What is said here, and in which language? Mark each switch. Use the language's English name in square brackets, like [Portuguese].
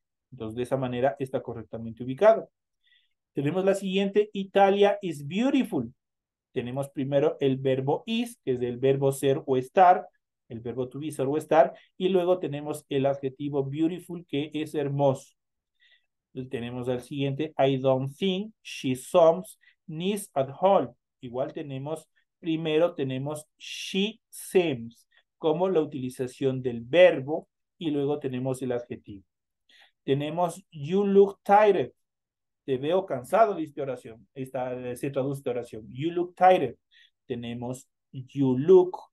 [Spanish] Entonces, de esa manera está correctamente ubicado. Tenemos la siguiente, [English] Italia is beautiful. [Spanish] Tenemos primero el verbo is, que es el verbo ser o estar, el verbo to be, ser o estar, y luego tenemos el adjetivo beautiful, que es hermoso. Y tenemos al siguiente, [English] I don't think she seems nice at all. [Spanish] Igual tenemos, primero tenemos she seems, como la utilización del verbo, y luego tenemos el adjetivo. Tenemos, [English] you look tired. [Spanish] Te veo cansado, dice oración. Se traduce esta oración. [English] You look tired. [Spanish] Tenemos [English] you look.